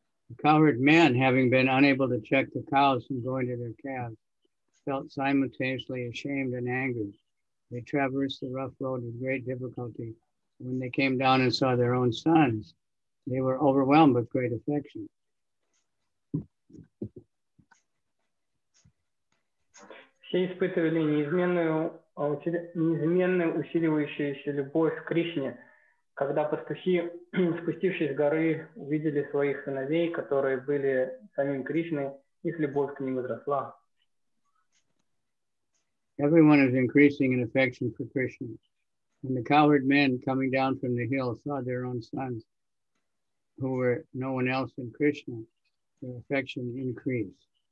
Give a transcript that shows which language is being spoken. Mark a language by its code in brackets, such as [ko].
[en] The cowherd men, having been unable to check the cows from going to their calves, felt simultaneously ashamed and angry. They traversed the rough road with great difficulty. When they came down and saw their own sons, they were overwhelmed with great affection. [ru] Все испытывали неизменную усиливающуюся любовь к Кришне, когда пастухи, спустившись с горы, увидели своих сыновей, которые были самим Кришной, их любовь к ним возросла. [en] Everyone is increasing in affection for Krishna. When the cowherd men coming down from the hill saw their own sons, who were no one else than Krishna, their affection increased.